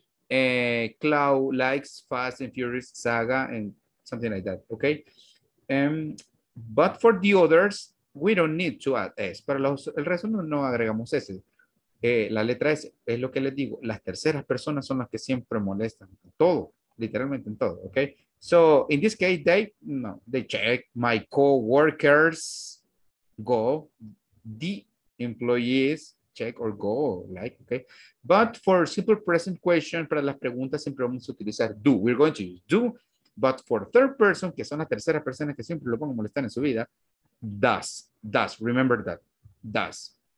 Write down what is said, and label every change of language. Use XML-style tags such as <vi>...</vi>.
<en>Clau likes Fast and Furious Saga and something like that. Okay. But for the others, we don't need to add S.</en> <es>Para el resto no agregamos S. La letra S es lo que les digo. Las terceras personas son las que siempre molestan. En todo, literalmente en todo. Okay.</es> <en>So in this case, they check my co-workers go. The employees check or go like. Okay. But for simple present question,</en> <es>para las preguntas siempre vamos a utilizar do.</es> <en>We're going to use do. But for third person,</en> <es>que son las terceras personas que siempre lo van a molestar en su vida,</es> <en>does, remember that, does.</en>